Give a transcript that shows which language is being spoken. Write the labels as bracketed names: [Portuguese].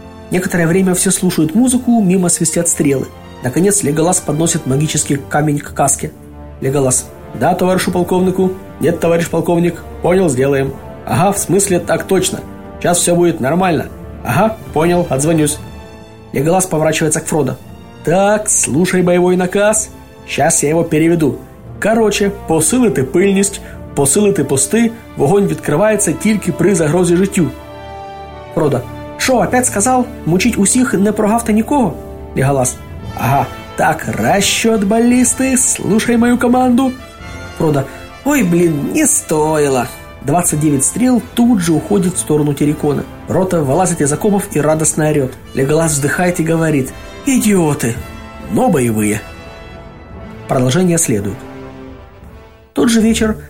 [Russian] Некоторое время все слушают музыку, мимо свистят стрелы. Наконец Леголас подносит магический камень к каске. Леголас. «Да, товарищу полковнику». «Нет, товарищ полковник». «Понял, сделаем». «Ага, в смысле, так точно. Сейчас все будет нормально». «Ага, понял, отзвонюсь». Леголас поворачивается к Фродо. «Так, слушай боевой наказ. Сейчас я его переведу. [Ukrainian] Короче, посилити пильність, посилити пости, вогонь відкривається тільки при загрозі життю». Фродо. «Шо, опять сказав? Мучить усіх, не прогав та нікого?» [Russian] Леголас. «Ага, так, расчет баллисти, слушай мою команду». Фродо. «Ой, блин, не стоило». 29 стрел тут же уходит в сторону Терриконе. Рота вылазит из окопов и радостно орет. Леголас вздыхает и говорит. «Идиоты, но боевые». Продолжение следует. Тот же вечер.